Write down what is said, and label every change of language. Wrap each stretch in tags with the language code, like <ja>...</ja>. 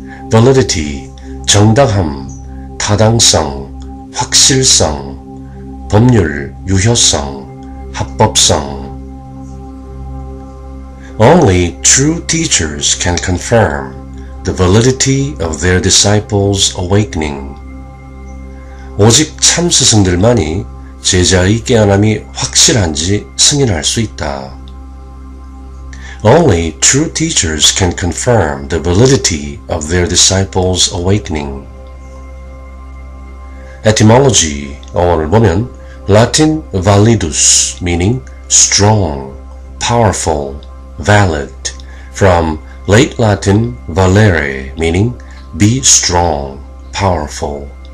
<ko>Validity, 정당함, 타당성, 확실성, 법률, 유효성, 합법성.</ko> <en>Only true teachers can confirm the validity of their disciples' awakening.</en> <ko>오직 참 스승들만이 제자의 깨어남이 확실한지 승인할 수 있다.</ko> <en>Only true teachers can confirm the validity of their disciples' awakening. Etymology,</en> <ko>어원을 보면</ko> <en>Latin validus, meaning strong, powerful, valid, from Late Latin valere, meaning be strong, powerful.</en>